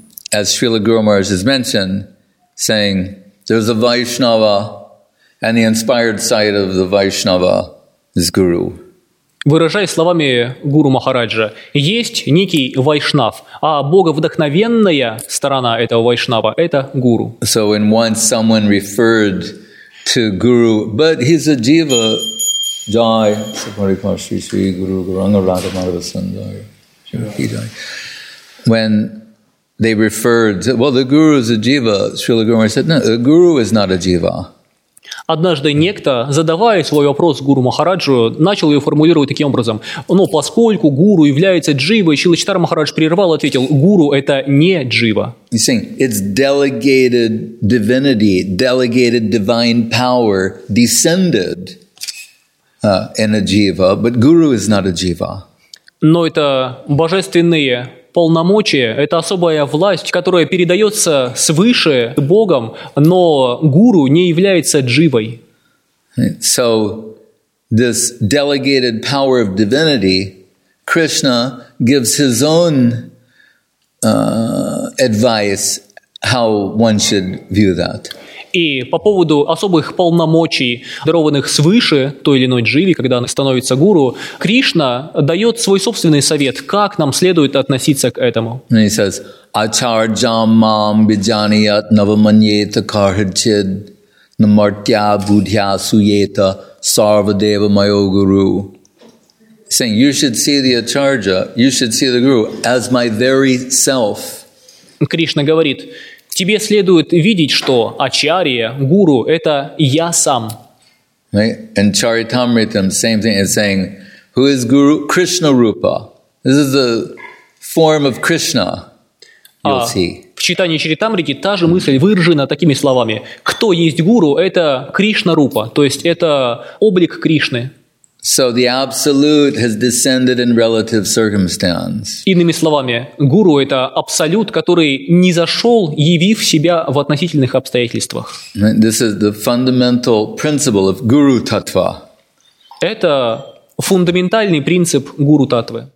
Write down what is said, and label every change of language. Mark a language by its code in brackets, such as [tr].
[en] As Srila Guru Maharaj has mentioned, saying, there's a Vaishnava, and the inspired side of the Vaishnava is guru. [ru] Выражая словами Гуру Махараджа, есть некий вайшнав, а боговдохновенная сторона этого вайшнава – это гуру. [en] So when once someone referred to guru, but he's a jiva, [sa] jai, sapari pashri shri guru guranga radha madhava sandhaya, he jai. [en] When they referred to, well, the guru is a jiva, Srila Guru Maharaj said, no, the guru is not a jiva. [ru] Однажды некто, задавая свой вопрос Гуру Махараджу, начал ее формулировать таким образом. Но поскольку гуру является дживой, Шрила Читара Махарадж прервал и ответил, гуру – это не джива. [en] He's saying, it's delegated divinity, delegated divine power descended in a jiva, but guru is not a jiva. [ru] Но это божественные полномочия, это особая власть, которая передается свыше Богом, но гуру не является дживой. [en] So, this delegated power of divinity, Krishna gives his own advice how one should view that. [ru] И по поводу особых полномочий, дарованных свыше той или иной дживе, когда она становится гуру, Кришна дает свой собственный совет, как нам следует относиться к этому. [en] And he says, [sa] Ачарджам мам биджаният навманьета кархачид намартья будхья суета сарвадева майо гуру. [en] Saying, you should see the Acharya, you should see the guru as my very self. [ru] Кришна говорит, тебе следует видеть, что ачарья, гуру – это я сам. [en] Right? And Charitamritam, same thing, is saying, who is guru? Krishna Rupa. This is the form of Krishna. You'll see. [ru] В читании Чаритамрити та же мысль выражена такими словами. Кто есть гуру – это Кришна Рупа, то есть это облик Кришны. [en] So the absolute has descended in relative circumstance. [ru] Иными словами, гуру – это абсолют, который не зашел, явив себя в относительных обстоятельствах. [en] This is the fundamental principle of guru-tattva. [ru] Это фундаментальный принцип гуру-таттвы.